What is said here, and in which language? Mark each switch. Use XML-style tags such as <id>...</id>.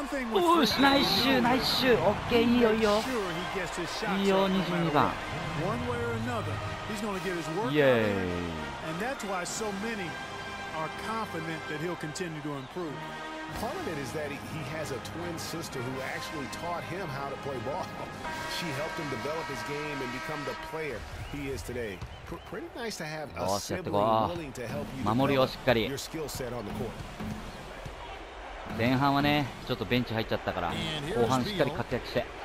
<ja>おーし、ナイスシュー、ナイスシュー、オッケー、いいよいいよいいよ、22番。</ja> <en>One way or another, he's going to get his work done, and that's why so many are confident that he'll continue to improve. Part of it is that he has a twin sister who actually taught him how to play ball. She helped him develop his game and become the player he is today. Pretty nice to have a sibling willing to help you develop your skill set on the court.</en> <ja>前半はね、ちょっとベンチ入っちゃったから、後半しっかり活躍して。</ja>